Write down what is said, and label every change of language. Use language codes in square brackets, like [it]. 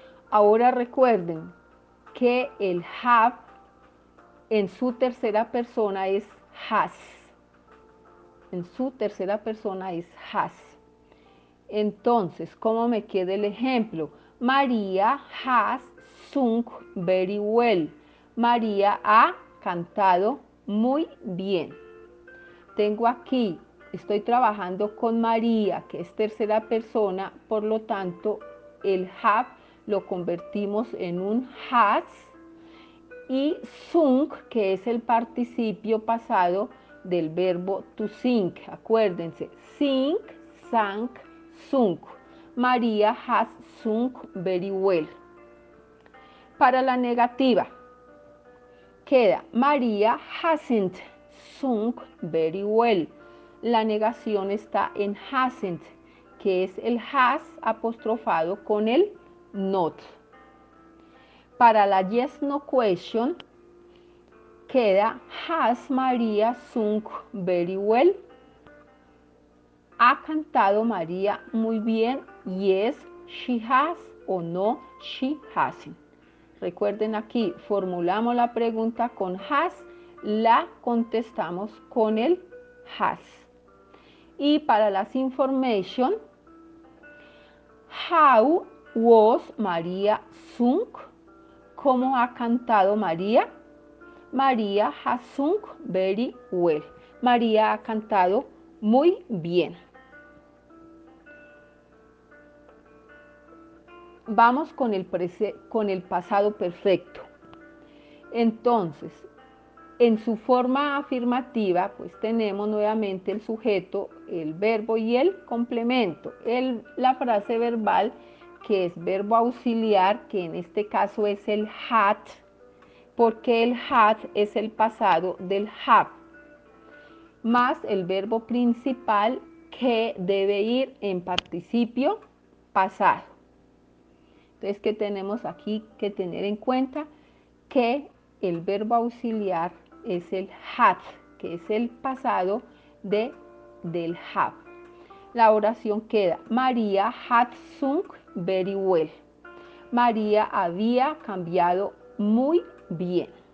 [es] Ahora recuerden que el have en su tercera persona es has. En su tercera persona es has. Entonces, ¿cómo me queda el ejemplo? [en] María has sung very well. [es] María ha cantado muy bien. Tengo aquí, estoy trabajando con María, que es tercera persona, por lo tanto, el have lo convertimos en un has, y sung, que es el participio pasado del verbo to sing. Acuérdense, sing, sang, sung. [en] María has sung very well. [es] Para la negativa queda [en] María hasn't sung very well. [es] La negación está en hasn't, que es el has apostrofado con el not. Para la [en] yes no question queda has María sung very well? [es] ¿Ha cantado María muy bien? [en] Yes, she has. [es] O [en] no, she hasn't. [es] Recuerden, aquí formulamos la pregunta con has, la contestamos con el has. Y para las information, [en] how was María sung? [es] ¿Cómo ha cantado María? [en] María has sung very well. [es] María ha cantado muy bien. Vamos con el pasado perfecto. Entonces, en su forma afirmativa, pues tenemos nuevamente el sujeto, el verbo y el complemento. La frase verbal, que es verbo auxiliar, que en este caso es el had, porque el had es el pasado del have, más el verbo principal que debe ir en participio pasado. Entonces, ¿qué tenemos aquí que tener en cuenta? Que el verbo auxiliar es el had, que es el pasado del have. La oración queda: [en] María had sung very well. [es] María había cambiado muy bien.